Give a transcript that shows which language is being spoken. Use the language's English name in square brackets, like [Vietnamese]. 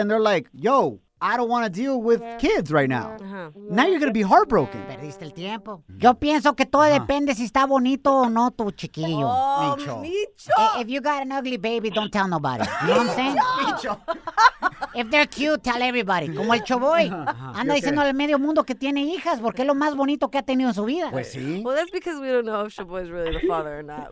[English] And they're like, yo, I don't want to deal with kids right now. Uh-huh. Now you're going to be heartbroken. [Spanish] Perdiste el tiempo. Yo pienso que todo depende si está bonito o no tu chiquillo. [English] Oh, [Spanish] Micho. [English] If you got an ugly baby, don't tell nobody. You know what I'm saying? [Spanish] Micho. [English] If they're cute, tell everybody. [Spanish] Como el Choboy. Anda diciendo al medio mundo que tiene hijas porque es lo más bonito que ha tenido en su vida. Pues sí. [English] Well, that's because we don't know if Choboy is really the father or not.